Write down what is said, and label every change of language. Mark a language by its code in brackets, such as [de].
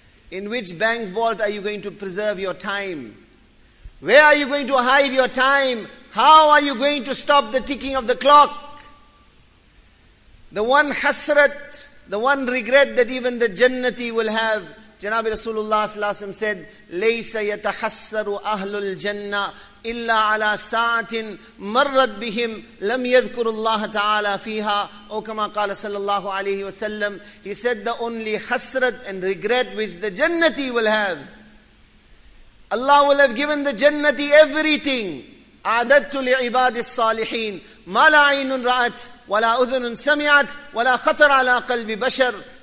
[en] In which bank vault are you going to preserve your time? Where are you going to hide your time? How are you going to stop the ticking of the clock? The one hasrat, the one regret that even the jannati will have. Janabi Rasulullah said, [ar] لَيْسَ يَتَحَسَّرُ أَهْلُ الْجَنَّةِ إِلَّا عَلَىٰ سَاعَةٍ مَرَّتْ بِهِمْ لَمْ يَذْكُرُ اللَّهَ تَعَالَىٰ فِيهَا. أو كما قال صلى الله عليه وسلم, [en] he said, the only hasrat and regret which the jannati will have. Allah will have given the jannati everything. [ar] أَعْدَدْتُ لِعِبَادِ الصَّالِحِينَ مَا لَا عَيْنٌ رَأَتْ وَلَا أُذُنٌ سَمِعَتْ وَلَا خَطَرْ عَلَىٰ قَلْبِ بَشَرْ.